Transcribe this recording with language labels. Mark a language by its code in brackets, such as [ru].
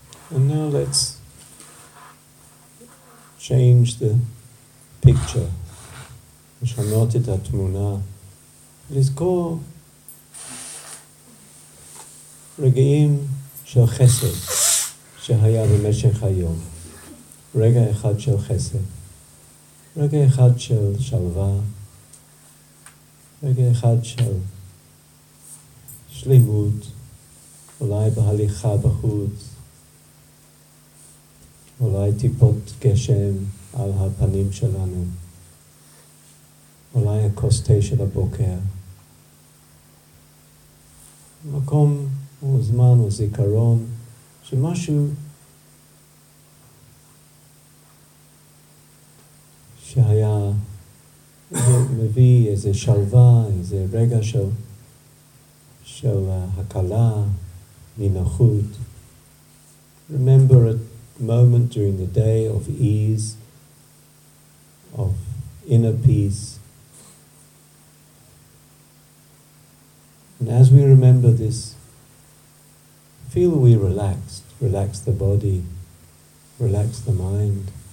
[en] And now let's change the picture. [he] לשנות את התמונה. לזכור רגעים של חסד שהיה במשך היום. רגע אחד של חסד. רגע אחד של שלווה. רגע אחד של שלימות. אולי בהליכה בחוץ. אולי טיפות גשם על הפנים שלנו, אולי הכוס תה של הבוקר, מקום או זמן או זיכרון, שמשהו שהיה מביא איזה שלווה, איזה רגע של הקלה, נינוחות. [en] Remember it. Moment during the day of ease, of inner peace. And as we remember this, feel we relaxed, relax the body, relax the mind.